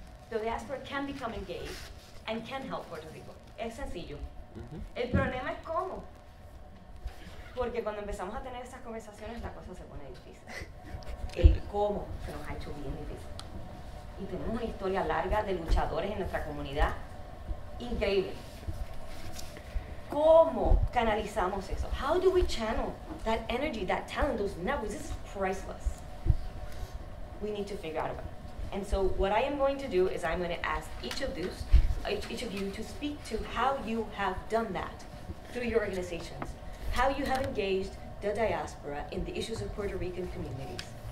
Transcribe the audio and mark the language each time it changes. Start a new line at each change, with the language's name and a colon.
English: So the diaspora can become engaged and can help Puerto Rico.
Spanish: Es sencillo. El problema es cómo. Porque cuando empezamos a tener estas conversaciones, la cosa se pone difícil. El cómo se nos ha hecho bien difícil. Y tenemos una historia larga de luchadores en nuestra comunidad. Increíble. ¿Cómo canalizamos eso?
English: How do we channel that energy, that talent, those networks? This is priceless. We need to figure out a way. And so what I am going to do is I'm going to ask each of you to speak to how you have done that through your organizations, how you have engaged the diaspora in the issues of Puerto Rican communities.